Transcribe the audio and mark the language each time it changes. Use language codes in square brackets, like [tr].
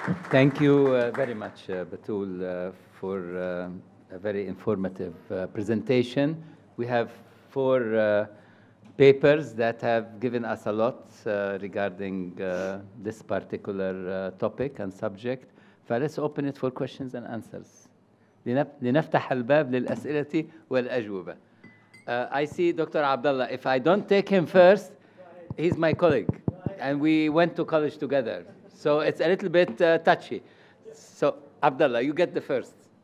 [en] Thank you very much, Betul, for a very informative presentation. We have four papers that have given us a lot regarding this particular topic and subject. فلس open it for questions and answers. [ar] لنفتح الباب للأسئلة والأجوبة. [en] I see Dr. Abdullah. If I don't take him first, he's my colleague. And we went to college together. So it's a little bit touchy. So Abdullah, you get the first.